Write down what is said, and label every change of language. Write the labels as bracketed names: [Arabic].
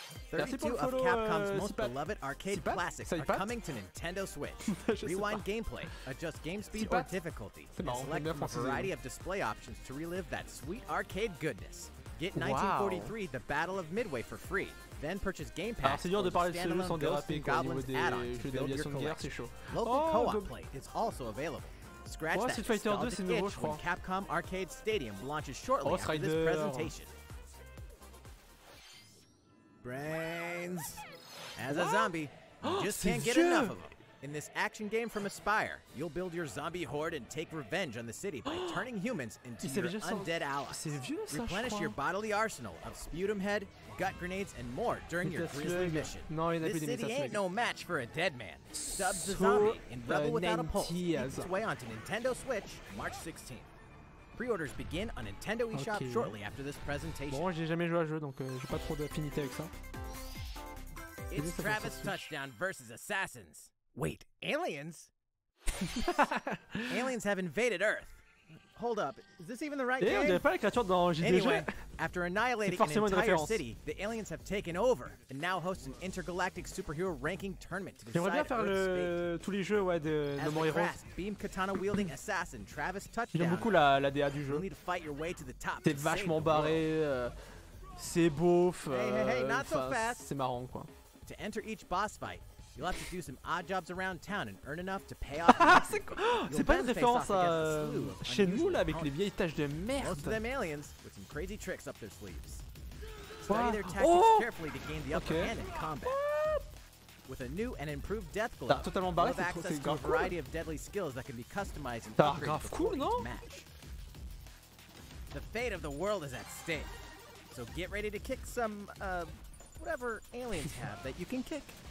[English] 32 of Capcom's most beloved arcade classics are coming to Nintendo Switch. Rewind gameplay, adjust game speed or difficulty, and select from a variety of display options to relive that sweet arcade goodness. Get 1943, wow. The Battle of Midway for free. Then purchase Game Pass. [French] Alors, c'est dur de parler de ce jeu sans déraper quoi, au niveau des jeux d'aviation de guerre, c'est chaud. [English] Local co-op play is also available. Scratch [French] Street Fighter 2, c'est nouveau, je crois. [English] Capcom Arcade Stadium launches shortly after this presentation. Brains. As a zombie, you just can't get enough of them. In this action game from Aspyre, you'll build your zombie horde and take revenge on the city by turning humans into your undead allies. Replenish your bodily arsenal of sputum head, gut grenades, and more during your grisly mission. This city ain't no match for a dead man. Subs the zombie in Rebel Without a Pulse. Make its way onto Nintendo Switch March 16th. Pre-orders begin on Nintendo eShop shortly after this presentation. [French] Bon, j'ai jamais joué à jeu, donc j'ai pas trop d'affinité avec ça. [English] It's Travis Touchdown versus Assassins. Wait, aliens? Aliens have invaded Earth. Hold up, is this even the right game? [French] On n'avait pas les créatures dans JDG. [English] Anyway, after annihilating an entire city, the aliens have taken over and now host an intergalactic superhero ranking tournament to decide Earth's fate. [French] Tous les jeux, ouais, de No More Heroes. [English] As the beam katana wielding assassin Travis Touchdown. [French] J'aime beaucoup la DA du jeu. [English] You need to fight your way to the top. [French] C'est vachement barré, c'est beauf. [English] Hey, not so fast. [French] C'est marrant, quoi. [English] To enter each boss fight, you'll have to do some odd jobs around town and earn enough to pay off. [French] C'est pas une référence à chez nous là avec les vieilles taches de merde. [English] Most of them aliens with some crazy tricks up their sleeves. study their tactics carefully to gain the upper hand in combat. With a new and improved death glove, you have access to a variety of deadly skills that can be customized and upgraded for each match. The fate of the world is at stake, so get ready to kick some, whatever aliens have that you can kick.